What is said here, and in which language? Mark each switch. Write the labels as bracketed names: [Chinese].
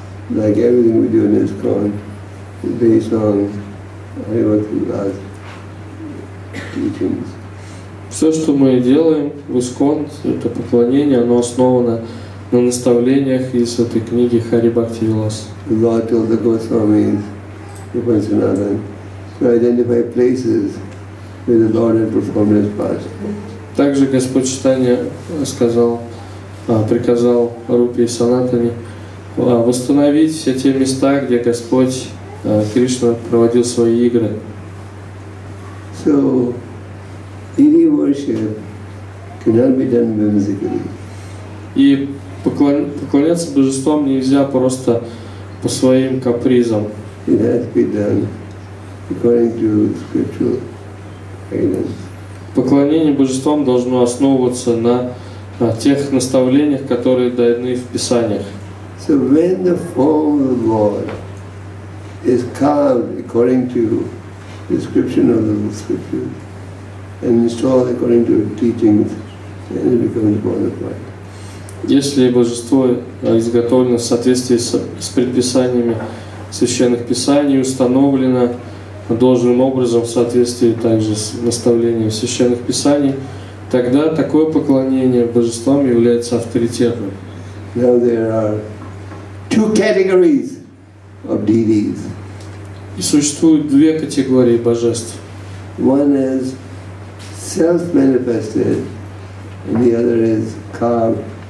[English] Like everything we do in this con is based on Hari Bhakti Vilas teachings. [Russian] Все, что мы делаем в ИСКОН, это поклонение, оно основано на наставлениях из этой книги Хари Бхакти Вилас. [English] Lord told the Goswamis, Rupa and Sanatan, to identify places where the Lord had performed his pastimes. [Russian] Также Господь Чайтанья сказал, приказал Рупе и Санатане восстановить все те места, где Господь Кришна проводил свои игры. [English] So, any worship cannot be done whimsically. [Russian] И поклоняться божествам нельзя просто по своим капризам. [English] It has to be done according to scriptural guidance. [Russian] Поклонение божествам должно основываться на тех наставлениях, которые даны в писаниях. [English] So when the form of the Lord is carved according to description of the scripture and installed according to teachings, then it becomes bona fide. [Russian] Если божество изготовлено в соответствии с предписаниями священных писаний, установлено должным образом в соответствии также с наставлением священных писаний, тогда такое поклонение божествам является авторитетным. [English] Now there are two categories of deities. [Russian] И существуют две категории божеств. [English] One is self-manifested, and the other is carved.